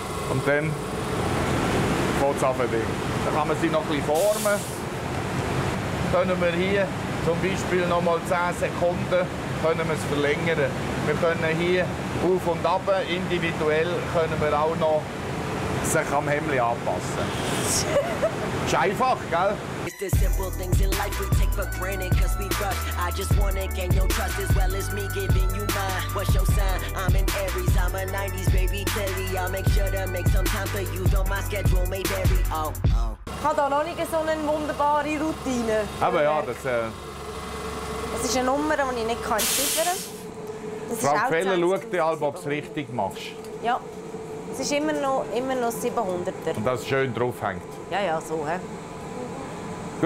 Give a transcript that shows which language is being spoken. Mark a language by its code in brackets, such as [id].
[de] Und dann geht es runter. Dann kann man sie noch etwas formen. Können wir hier zum Beispiel noch mal 10 Sekunden können wir es verlängern. Wir können hier auf und ab, individuell können wir auch noch sich am Hemd anpassen. Das ist einfach, gell? [en] It's the simple things in life we take for granted, cause we trust. I just wanna gain your trust as well as me giving you mine. What's your sign? I'm an Aries, I'm a 90s baby Telly. I'll make sure to make some time for you, though my schedule may vary. Oh, oh. [de] Ich habe hier noch nicht so eine wunderbare Routine. Aber ja, das. Das ist eine Nummer, die ich nicht entziffern kann. Frau Feller, schau dir mal, ob du es richtig machst. Ja. Es ist immer noch 700er. Und das schön drauf hängt. Ja, ja, so. He.